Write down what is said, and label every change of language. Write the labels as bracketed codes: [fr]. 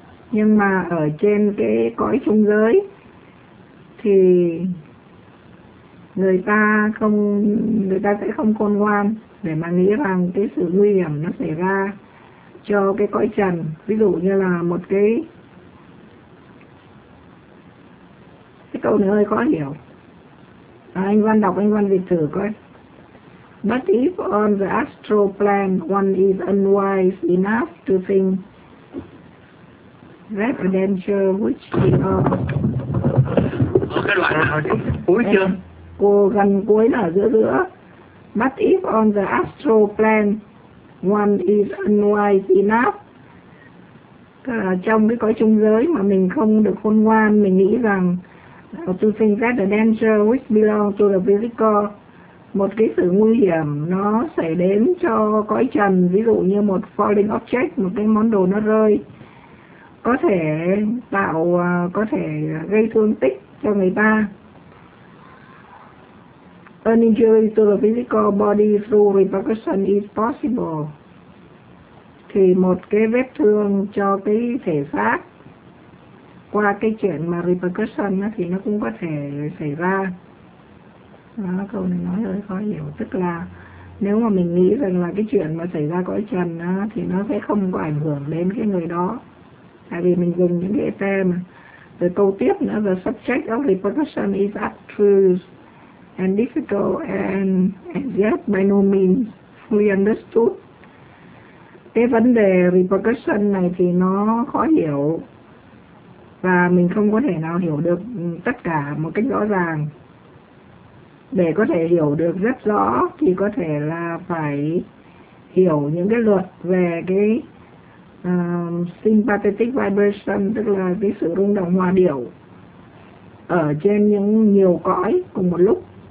[vi] Nhưng mà ở trên cái cõi trung giới thì người ta sẽ không khôn ngoan để mà nghĩ rằng cái sự nguy hiểm nó xảy ra cho cái cõi trần. Ví dụ như là một cái câu này hơi khó hiểu. Anh Văn đọc, anh Văn dịch thử coi. [en] But if on the astral plane one is unwise enough to think that a danger which he [vi] are. Cái loại nào chứ? Cuối chưa? Cô gần cuối là giữa. [en] But if on the astral plane one is unwise enough, [vi] trong cái cõi trung giới mà mình không được khôn ngoan, mình nghĩ rằng [en] to think that a danger which belong to the physical, [vi] một cái sự nguy hiểm nó xảy đến cho cõi trần, ví dụ như một [en] falling object, [vi] một cái món đồ nó rơi, có thể tạo, có thể gây thương tích cho người ta. [en] An injury to the physical body through repercussion is possible. [vi] Thì một cái vết thương cho cái thể xác qua cái chuyện mà repercussion thì nó cũng có thể xảy ra. Đó, câu này nói hơi khó hiểu. Tức là nếu mà mình nghĩ rằng là cái chuyện mà xảy ra cõi trần thì nó sẽ không có ảnh hưởng đến cái người đó. Tại vì mình dùng những cái te mà. Rồi câu tiếp nữa, [en] the subject of reproduction is abstruse and difficult and yet by no means fully understood. [vi] Cái vấn đề reproduction này thì nó khó hiểu và mình không có thể nào hiểu được tất cả một cách rõ ràng. Để có thể hiểu được rất rõ thì có thể là phải hiểu những cái luật về cái sympathetic vibration, tức là cái sự rung động hòa điệu ở trên những nhiều cõi cùng một lúc.